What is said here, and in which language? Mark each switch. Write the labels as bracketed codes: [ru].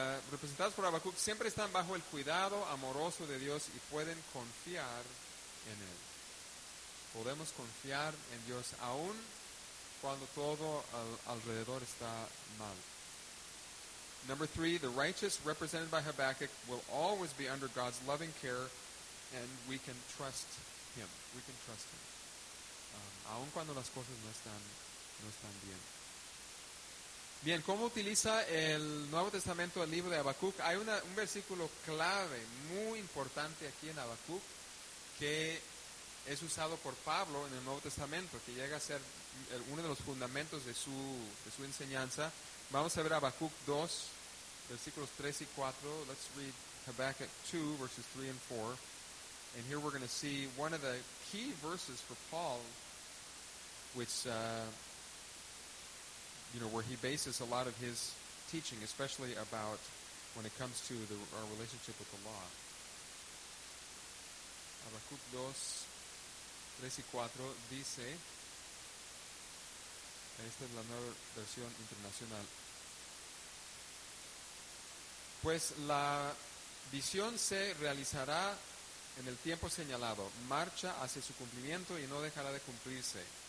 [es] Representados por Habacuc siempre están bajo el cuidado amoroso de Dios y pueden confiar en Él. Podemos confiar en Dios aún cuando todo alrededor está mal. [en] Number three, the righteous represented by Habakkuk will always be under God's loving care and we can trust him. We can trust him. [es] Aun cuando las cosas no están bien. Bien, ¿cómo utiliza el Nuevo Testamento el libro de Habacuc? Hay un versículo clave, muy importante aquí en Habacuc que es usado por Pablo en el Nuevo Testamento, que llega a ser uno de los fundamentos de su enseñanza. Vamos a ver Habacuc 2, versículos 3 y 4. [en] Let's read Habakkuk 2, verses 3 and 4. And here we're going to see one of the key verses for Paul, which, you know, where he bases a lot of his teaching, especially about when it comes to our relationship with the law. Habakkuk [es] Habacuc 2, 3 y 4 dice, esta es la nueva versión internacional, pues la visión se realizará en el tiempo señalado, marcha hacia su cumplimiento y no dejará de cumplirse.